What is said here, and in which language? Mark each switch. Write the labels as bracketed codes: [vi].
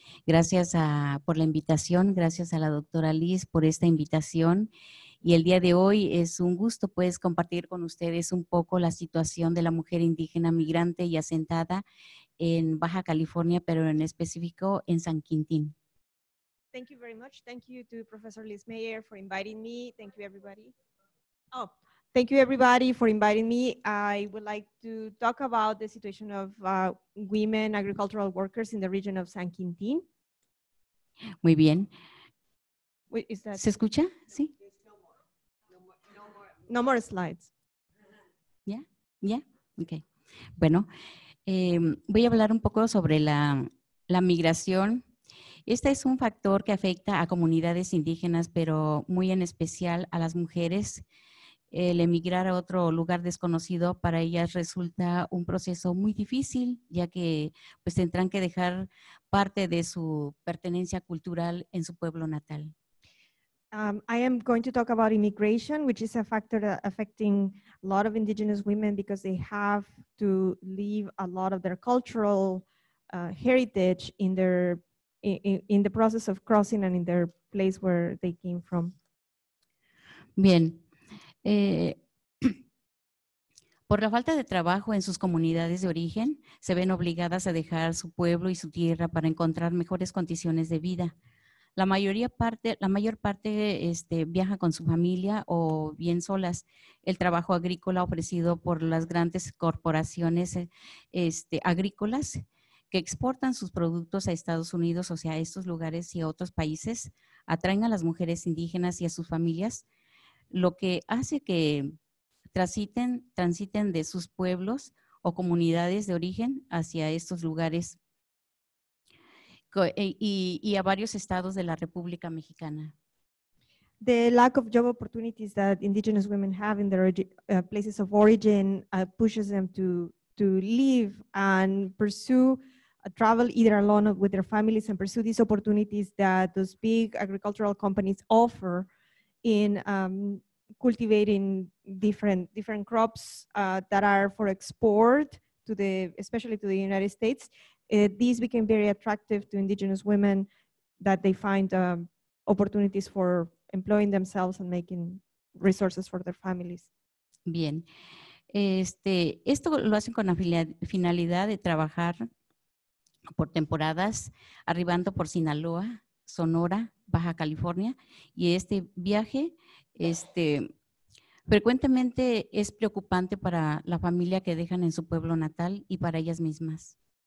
[es] Gracias por la invitación. Gracias a la doctora Liz por esta invitación. Y el día de hoy es un gusto pues compartir con ustedes un poco la situación de la mujer indígena migrante y asentada en Baja California, pero en específico en San Quintín. [en] Thank you very much. Thank you to Professor Liz Mayer for inviting me. Thank you, everybody. Oh. Thank you, everybody, for inviting me. I would like to talk about the situation of women agricultural workers in the region of San Quintín. [es] Muy bien. [en] Wait, is that [es] ¿se escucha? No, sí. [en] No more slides. Yeah. Okay. [es] Bueno, voy a hablar un poco sobre la migración. Este es un factor que afecta a comunidades indígenas, pero muy en especial a las mujeres. El emigrar a otro lugar desconocido para ellas resulta un proceso muy difícil, ya que pues tendrán que dejar parte de su pertenencia cultural en su pueblo natal. [en] I am going to talk about immigration, which is a factor affecting a lot of indigenous women because they have to leave a lot of their cultural heritage in their in the process of crossing and in their place where they came from. [es] Bien. Por la falta de trabajo en sus comunidades de origen, se ven obligadas a dejar su pueblo y su tierra para encontrar mejores condiciones de vida. La mayor parte viaja con su familia o bien solas. El trabajo agrícola ofrecido por las grandes corporaciones agrícolas que exportan sus productos a Estados Unidos, o sea, a estos lugares y a otros países, atraen a las mujeres indígenas y a sus familias, lo que hace que transiten de sus pueblos o comunidades de origen hacia estos lugares y a varios estados de la República Mexicana. [en] The lack of job opportunities that indigenous women have in their places of origin pushes them to leave and pursue travel either alone or with their families and pursue these opportunities that those big agricultural companies offer in cultivating different crops that are for export especially to the United States. These became very attractive to indigenous women that they find opportunities for employing themselves and making resources for their families. [es] Bien. Esto lo hacen con la finalidad de trabajar por temporadas, arribando por Sinaloa, Sonora, Baja California, y este viaje frecuentemente es preocupante para la familia que dejan en su pueblo natal y para ellas mismas.